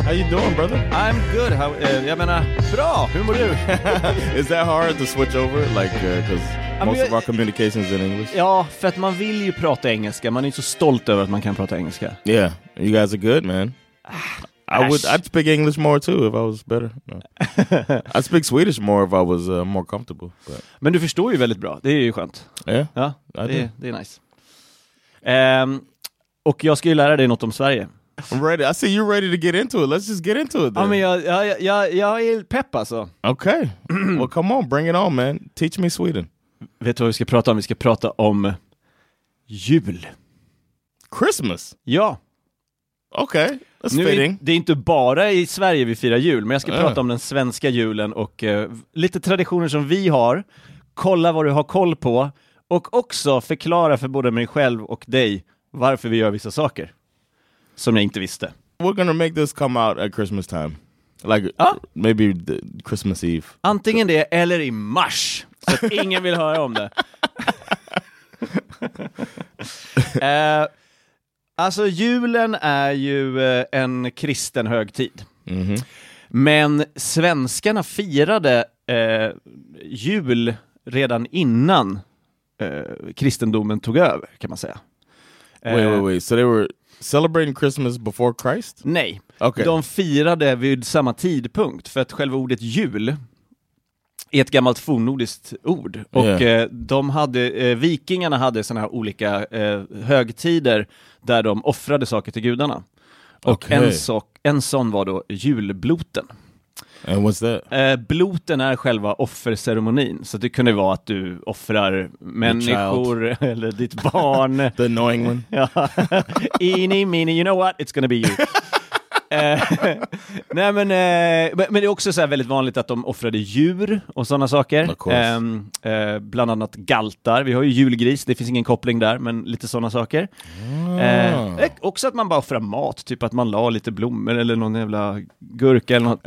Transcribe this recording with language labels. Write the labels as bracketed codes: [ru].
[en] Doing, brother? I'm good. How? [sv] Jag menar, bra. Hur mår du? [en] Is that hard to switch over? Like, because most of our communication is in English. [sv] Ja, för att man vill ju prata engelska. Man är så stolt över att man kan prata engelska. [en] Yeah, you guys are good, man. I'd speak English more too if I was better. No. I'd speak Swedish more if I was more comfortable. But. [sv] Men du förstår ju väldigt bra. Det är ju skönt. [en] Yeah, [sv] ja, det är nice. Och jag ska ju lära dig något om Sverige. [en] I'm ready. I see you're ready to get into it. Let's just get into it. Then. I mean, [sv] jag är pepp alltså. [en] Okay. Well, come on, bring it on, man. Teach me Sweden. [sv] Vet du vad vi ska prata om? Vi ska prata om jul. [en] Christmas. [sv] Ja. [en] Okay. That's nu, fitting. [sv] Det är inte bara i Sverige vi firar jul, men jag ska prata om den svenska julen och lite traditioner som vi har. Kolla vad du har koll på och också förklara för både mig själv och dig varför vi gör vissa saker. Som jag inte visste. [en] We're gonna make this come out at Christmas time. Like, maybe the Christmas Eve. [sv] Antingen det, eller i mars. Så att ingen vill höra om det. Alltså, julen är ju en kristen högtid. Mm-hmm. Men svenskarna firade jul redan innan kristendomen tog över, kan man säga. [en] Wait. So they were celebrating Christmas before Christ? [sv] Nej. [en] Okay. [sv] De firade vid samma tidpunkt, för att själva ordet jul är ett gammalt fornnordiskt ord. [en] Yeah. [sv] Och de hade, vikingarna hade såna här olika högtider där de offrade saker till gudarna. Och [en] okay. [sv] en sån var då julbloten. [en] And what's that? [sv] Bloten är själva offerceremonin. Så det kunde vara att du offrar människor eller ditt barn. [en] The annoying one. Eeny, meeny, you know what? It's gonna be you. [sv] Nej, men det är också så här väldigt vanligt att de offrade djur och sådana saker. Bland annat galtar. Vi har ju julgris, det finns ingen koppling där, men lite sådana saker. Mm. Också att man bara offrar mat, typ att man la lite blommor eller någon jävla gurka eller något.